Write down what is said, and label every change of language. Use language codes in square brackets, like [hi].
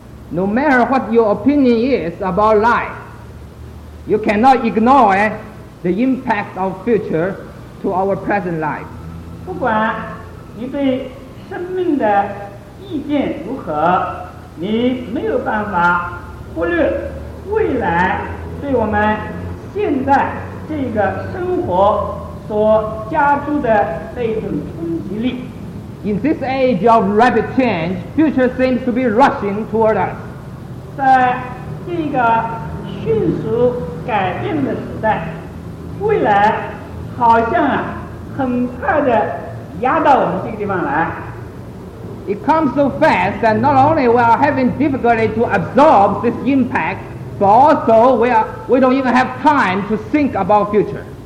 [en] No matter what your opinion is about life, you cannot ignore the impact of future to our present life. [zh] 不管你对生命的意见如何，你没有办法忽略未来对我们现在这个生活所加诸的那种冲击力。 [en] In this age of rapid change, future seems to be rushing toward us. [zh] 在这个迅速改变的时代，未来好像很快地压到我们这个地方来。 [en] It comes so fast that not only we are having difficulty to absorb this impact, but also we don't even have time to think about future.